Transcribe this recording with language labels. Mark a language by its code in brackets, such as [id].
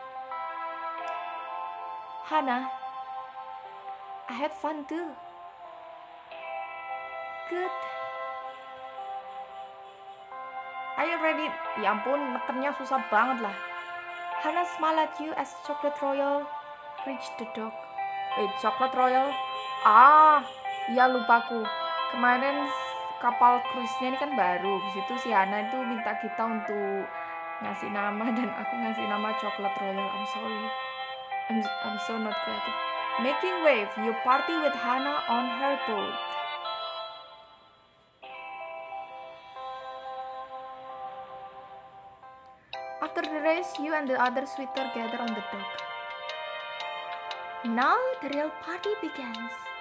[en] Hana, I had fun too. Good. Are you ready? [id] Ya ampun, neternya susah banget lah. [en] Hana smiled at you as Chocolate Royal reached the dock. [id] Wait, Chocolate Royal? Ah, iya lupaku. Kemarin kapal cruise-nya ini kan baru. Di situ si Hana itu minta kita untuk ngasih nama, dan aku ngasih nama Chocolate Royal. [en] I'm sorry. I'm so not creative. Making wave, you party with Hana on her boat. After the race, you and the other suitor gather on the dock. Now the real party begins.